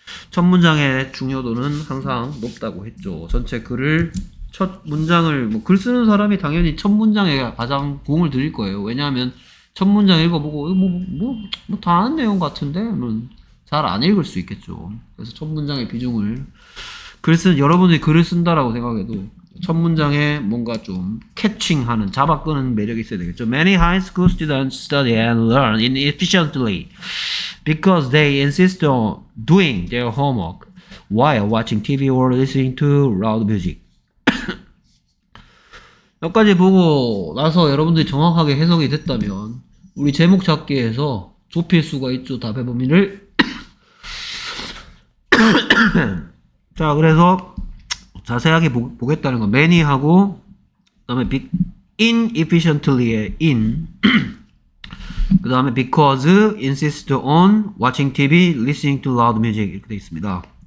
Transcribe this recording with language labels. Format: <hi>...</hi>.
<ko>첫 문장의 중요도는 항상 높다고 했죠. 전체 글을 첫 문장을 뭐 글 쓰는 사람이 당연히 첫 문장에 가장 공을 들일 거예요. 왜냐하면 첫 문장 읽어보고 뭐 다 아는 내용 같은데 잘 안 읽을 수 있겠죠. 그래서 첫 문장의 비중을 여러분이 글을 쓴다라고 생각해도 첫 문장에 뭔가 좀 캐칭하는 잡아끄는 매력이 있어야 되겠죠.</ko> <en>Many high school students study and learn inefficiently because they insist on doing their homework while watching TV or listening to loud music.</en> <ko>몇 가지 보고 나서 여러분들이 정확하게 해석이 됐다면 우리 제목 찾기에서 좁힐 수가 있죠. 답의 범위를. 자, 그래서 자세하게 보겠다는 거. many 하고 그다음에 inefficiently의 in 그다음에</ko> <en>because insist on watching TV, listening to loud music</en> <ko>이렇게 돼 있습니다.</ko>